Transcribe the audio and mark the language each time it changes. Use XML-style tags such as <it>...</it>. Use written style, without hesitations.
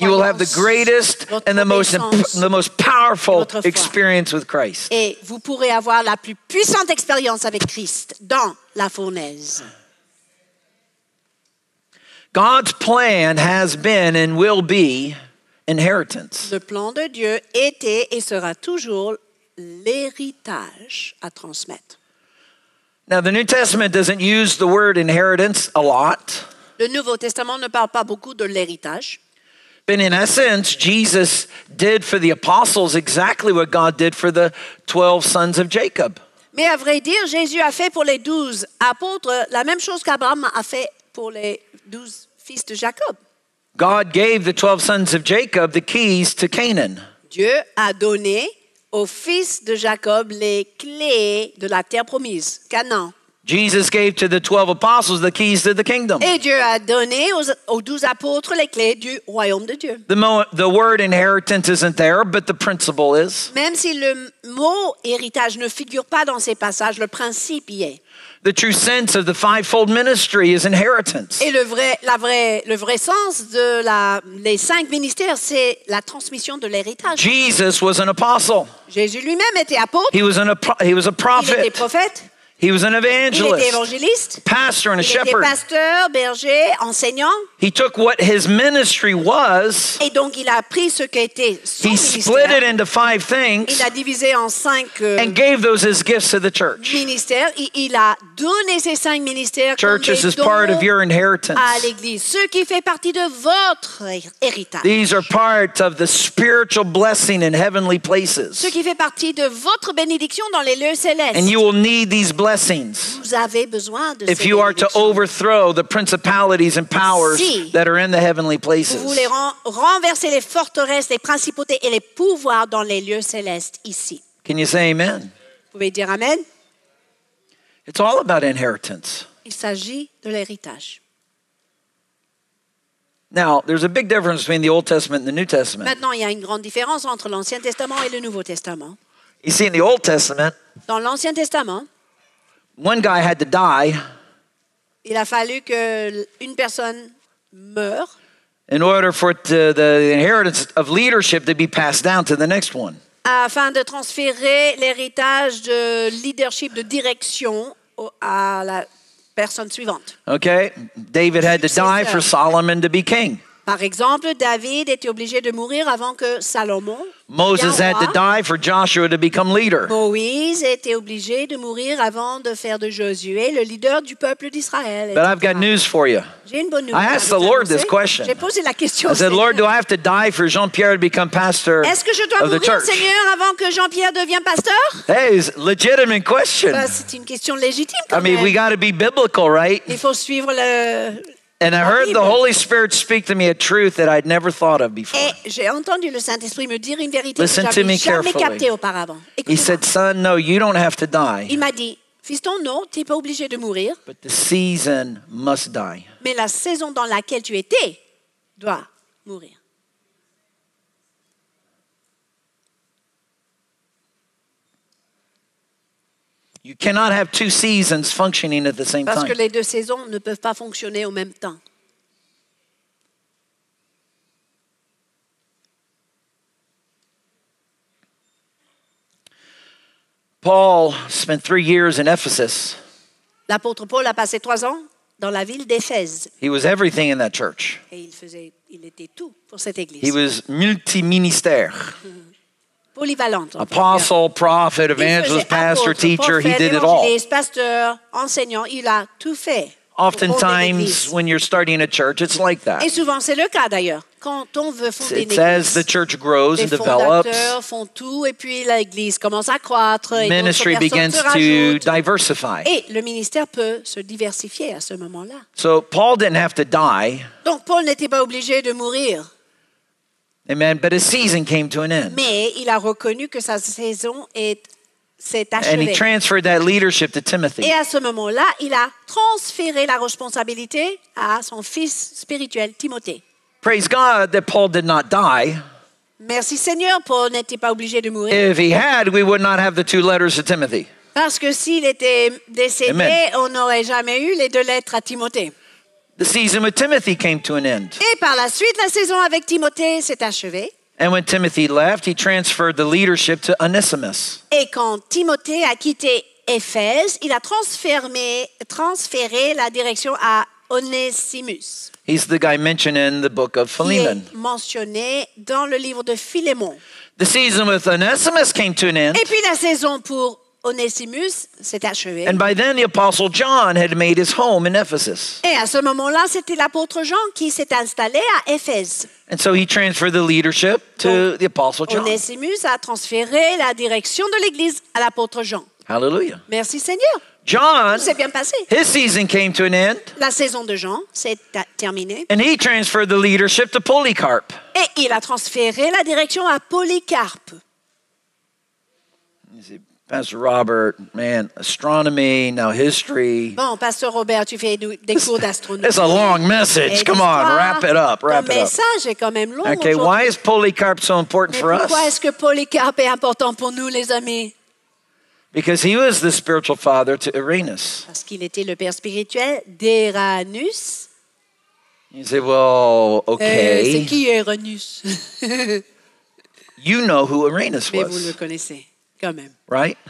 <en>You will have the greatest and the most powerful experience with Christ.</en> <fr>Et vous pourrez avoir la plus puissante expérience avec Christ dans la fournaise.</fr> <en>God's plan has been and will be inheritance.</en> <fr>Le plan de Dieu était et sera toujours l'héritage à transmettre.</fr> <en>Now, the New Testament doesn't use the word inheritance a lot.</en> <fr>Le Nouveau Testament ne parle pas beaucoup de l'héritage.</fr> <en>But in essence, Jesus did for the apostles exactly what God did for the 12 sons of Jacob.</en> <fr>Mais à vrai dire, Jésus a fait pour les 12 apôtres la même chose qu'Abraham a fait pour les 12 fils de Jacob.</fr> <en>God gave the 12 sons of Jacob the keys to Canaan.</en> <fr>Dieu a donné aux fils de Jacob les clés de la terre promise, Canaan.</fr> <en>Jesus gave to the 12 apostles the keys to the kingdom.</en> <fr>Et Dieu a donné aux 12 apôtres les clés du royaume de Dieu.</fr> <en>The word inheritance isn't there, but the principle is.</en> <fr>Même si le mot héritage ne figure pas dans ces passages, le principe y est.</fr> <en>The true sense of the fivefold ministry is inheritance.</en> <fr>Et le vrai sens de les cinq ministères, c'est la transmission de l'héritage.</fr> <en>Jesus was an apostle.</en> <fr>Jésus lui-même était apôtre.</fr> <en>He was a prophet.</en> <fr>Il était prophète.</fr> <en>He was an evangelist.</en> <fr>Il était évangéliste.</fr> <en>Pastor and a</en> <fr>il Il était pasteur, berger, enseignant.</fr> <en>He took what his ministry was.</en> <fr>Et donc il a pris ce qu'était son ministère.</fr> <en>He split it into five things.</en> <fr>Il a divisé en cinq.</fr> <en>And gave those as gifts to the church.</en> <fr>Ministères. Il a donné ces cinq ministères.</fr> <en>Churches is part of your inheritance.</en> <fr>À l'église, ce qui fait partie de votre héritage.</fr> <en>These are part of the spiritual blessing in heavenly places.</en> <fr>Ce qui fait partie de votre bénédiction dans les lieux célestes.</fr> <en>And you will need these blessings.</en> <fr>Vous avez besoin de</fr> <en>if you are to overthrow the principalities and powers</en> <fr>si</fr> <en>that are in the heavenly places.</en> <fr>Vous voulez renverser les forteresses, les principautés et les pouvoirs dans les lieux célestes ici.</fr> <en>Can you say amen?</en> <fr>Vous pouvez dire amen?</fr> <en>It's all about inheritance.</en> <fr>Il s'agit de l'héritage.</fr> <en>Now, there's a big difference between the Old Testament and the New Testament.</en> <fr>Maintenant, il y a une grande différence entre l'Ancien Testament et le Nouveau Testament.</fr> <en>You see, in the Old Testament,</en> <fr>dans l'Ancien Testament,</fr> <en>one guy had to die.</en> <fr>Il a fallu que une personne meure.</fr> <en>In order for the inheritance of leadership to be passed down to the next one.</en> <fr>Afin de transférer l'héritage de leadership de direction à la personne suivante.</fr> <en>Okay, David had to die for Solomon to be king.</en> <fr>Par exemple, David était obligé de mourir avant que Salomon.</fr> <en>Moses had to die for Joshua to become leader.</en> <fr>Moïse était obligé de mourir avant de faire de Josué le leader du peuple d'Israël.</fr> <en>But I've got news for you.</en> <fr>J'ai une bonne nouvelle.</fr> <en>I asked the Lord this question.</en> <fr>J'ai posé la question.</fr> <en>I said, Lord, do I have to die for Jean-Pierre to become pastor?</en> <fr>Est-ce que je dois mourir, Seigneur, avant que Jean-Pierre devienne pasteur?</fr> <en>Hey, it's a legitimate question.</en> <fr>Bah, c'est une question légitime.</fr> <en>I mean, we got to be biblical, right?</en> <fr>Il faut suivre le.</fr> <en>And I heard the Holy Spirit speak to me a truth that I'd never thought of before.</en> <fr>Et j'ai entendu le Saint-Esprit me dire une vérité.</fr> <en>Listen</en> <fr>que j'avais</fr> <en>to me</en> <fr>jamais</fr> <en>carefully.</en> <fr>Auparavant.</fr> <en>He said, son, no, you don't have to die.</en> <fr>Il m'a dit, fiston, non, t'es pas obligé de mourir.</fr> <en>But the season must die.</en> <fr>Mais la saison dans laquelle tu étais doit mourir.</fr> <en>You cannot have two seasons functioning at the same time.</en> <fr>Parce que les deux saisons ne peuvent pas fonctionner au même temps.</fr> <en>Paul spent 3 years in Ephesus.</en> <fr>L'apôtre Paul a passé 3 ans dans la ville d'Éphèse.</fr> <en>He was everything in that church.</en> <fr>Et il était tout pour cette église.</fr> <en>He was multi-ministère.</en> <fr>Polyvalent.</fr> <en>Apostle, prophet, evangelist, pastor, teacher, he did it all.</en> <fr>Pasteur, enseignant, il a tout fait.</fr> <en>Oftentimes, when you're starting a church, it's like that.</en> <fr>Et souvent, c'est le cas d'ailleurs. Quand on veut fonder une église,</fr> <en>it's as the church grows and develops.</en> <fr>Les fondateurs font tout et puis l'église commence à croître.</fr> <en>Ministry begins to diversify.</en> <fr>Et le ministère peut se diversifier à ce moment-là.</fr> <en>So Paul didn't have to die.</en> <fr>Donc Paul n'était pas obligé de mourir.</fr> <en>Amen. But his season came to an end.</en> <fr>Mais il a reconnu que sa saison s'est achevée.</fr> <en>And he transferred that leadership to Timothy.</en> <fr>Et à ce moment-là, il a transféré la responsabilité à son fils spirituel, Timothée.</fr> <en>Praise God that Paul did not die.</en> <fr>Merci Seigneur, Paul n'était pas obligé de mourir.</fr> <en>If he had, we would not have the two letters to Timothy.</en> <fr>Parce que s'il était décédé, Amen. On n'aurait jamais eu les deux lettres à Timothée.</fr> <en>The season with Timothy came to an end.</en> <fr>Et par la suite, la saison avec Timothée s'est achevée.</fr> <en>And when Timothy left, he transferred the leadership to Onesimus.</en> <fr>Et quand Timothée a quitté Éphèse, il a transféré la direction à Onesimus.</fr> <en>He's the guy mentioned in the book of Philemon.</en> <fr>Il est mentionné dans le livre de Philémon.</fr> <en>The season with Onesimus came to an end.</en> <fr>Et puis la saison pour Onesimus s'est achevé.</fr> <en>And by then, the Apostle John had made his home in Ephesus.</en> <fr>Et à ce moment-là, c'était l'apôtre Jean qui s'est installé à Éphèse.</fr> <en>And so he transferred the leadership to the Apostle John.</en> <fr>Onesimus a transféré la direction de l'église à l'apôtre Jean.</fr> <en>Hallelujah.</en> <fr>Merci Seigneur.</fr> <en>John,</en> <fr>c'est bien passé.</fr> <en>His season came to an end.</en> <fr>La saison de Jean s'est terminée.</fr> <en>And he transferred the leadership to Polycarp.</en> <fr>Et il a transféré la direction à Polycarp.</fr> <en>Pastor Robert, man, astronomy, now history.</en> <fr>Bon, Pastor Robert, tu fais des cours d'astronomie.</fr> <en>It's a long message. Come on, wrap it up, wrap it up.</en> <fr>Le message est quand même long.</fr> <en>Okay,</en> <fr>aujourd'hui.</fr> <en>Why is Polycarp so important</en> <fr>Mais</fr> <en>for</en> <fr>pourquoi Pourquoi est-ce que Polycarp est important pour nous, les amis?</fr> <en>Because he was the spiritual father to Irenaeus.</en> <fr>Parce qu'il était le père spirituel d'Eranus.</fr> <en>You say, well, okay.</en> <fr>C'est qui Eranus?</fr> <en>You know who Irenaeus was.</en> <fr>Mais vous le connaissez. Quand même.</fr> <en>Right?</en>